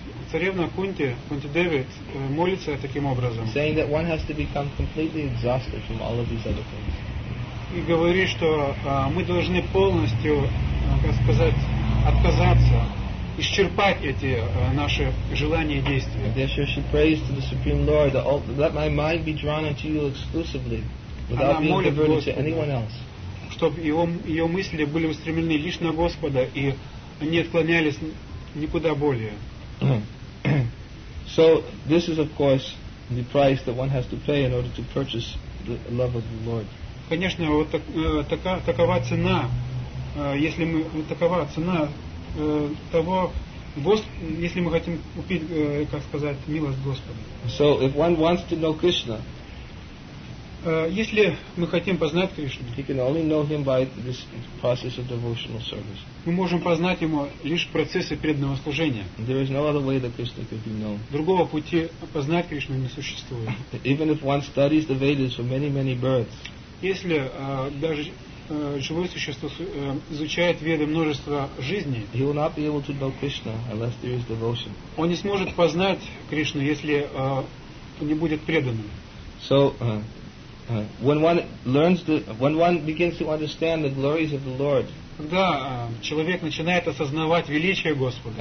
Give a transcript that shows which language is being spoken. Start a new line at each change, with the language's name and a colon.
Russian: Царевна Кунти, Кунти Деви молится таким образом.
English: Saying that one has to become completely exhausted from all of these other things.
Russian: И говорит, что мы должны полностью, как сказать, отказаться, исчерпать эти наши желания и действия.
English: Therefore she prays to the Supreme Lord, let my mind be drawn unto you exclusively, without being diverted to anyone else.
Russian: Чтобы ее мысли были устремлены лишь на Господа и не отклонялись никуда более.
English: So this is, of course, the price that one has to pay in order to purchase the love of the Lord.
Russian: Конечно, вот такова цена, если мы такова цена того Господа, если мы хотим купить, как сказать, милость Господа.
English: So if one wants to know Krishna.
Russian: Если мы хотим познать Кришну,
English: he can only know him by this process of devotional service.
Russian: Мы можем познать его лишь в процессе преданного служения.
English: There is no other way that Krishna could be known.
Russian: Другого пути познать Кришну не существует.
English: Even if one studies the Vedas for many, many births.
Russian: Если даже живое существо изучает Веды множество жизней,
English: he will not be able to know Krishna unless there is devotion.
Russian: Он не сможет познать Кришну, если не будет преданным.
English: So, when one learns when one begins to understand the glories of the Lord,
Russian: когда человек начинает осознавать величие Господа,